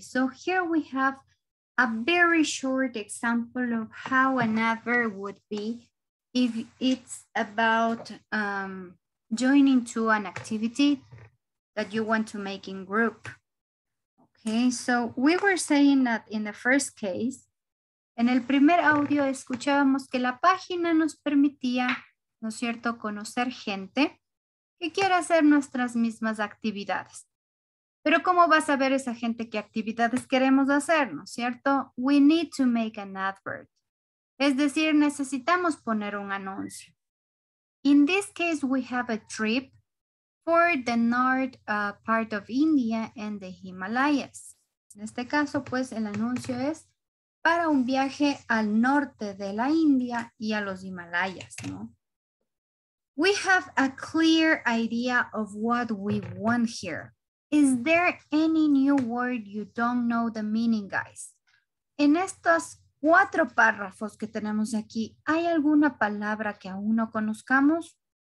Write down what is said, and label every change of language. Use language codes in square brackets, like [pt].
[en] So here we have a very short example of how an advert would be if it's about joining to an activity that you want to make in group. Okay, so we were saying that in the first case, [es] En el primer audio escuchábamos que la página nos permitía, ¿no es cierto?, conocer gente que quiere hacer nuestras mismas actividades. Pero ¿cómo va a saber esa gente qué actividades queremos hacer, ¿no es cierto? [en] We need to make an advert. [es] Es decir, necesitamos poner un anuncio. [en] In this case, we have a trip for the north part of India and the Himalayas. [es] En este caso, pues, el anuncio es para un viaje al norte de la India y a los Himalayas, ¿no? [en] We have a clear idea of what we want here. Is there any new word you don't know the meaning, guys? [es] En estos cuatro párrafos que tenemos aquí, ¿hay alguna palabra que aún no conozcamos?